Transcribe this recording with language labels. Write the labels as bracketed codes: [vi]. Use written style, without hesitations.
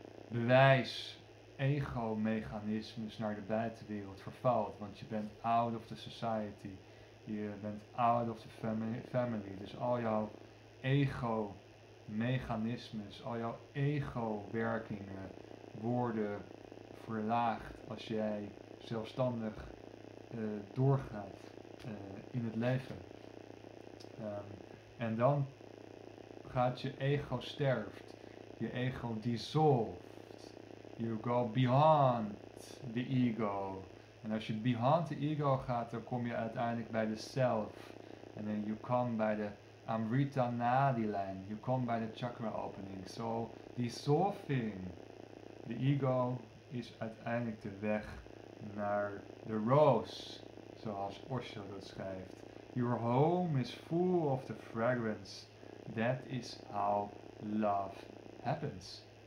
[nl] bewijs ego-mechanismes naar de buitenwereld vervalt, want je bent [en] out of the society, [nl] je bent [en] out of the family, [nl] dus al jouw ego-mechanismes, al jouw ego-werkingen worden verlaagd als jij zelfstandig doorgaat in het leven. En dan gaat je ego sterft, je ego dissolve. [en] You go beyond the ego. [nl] En als je [en] beyond the ego [nl] gaat, dan kom je uiteindelijk bij de self. [en] And then you come by the Amrita Nadi line. You come by the chakra opening. So dissolving the ego is [nl] uiteindelijk de weg naar de rose. Zoals Osho dat schrijft. [en] Your home is full of the fragrance. That is how love happens.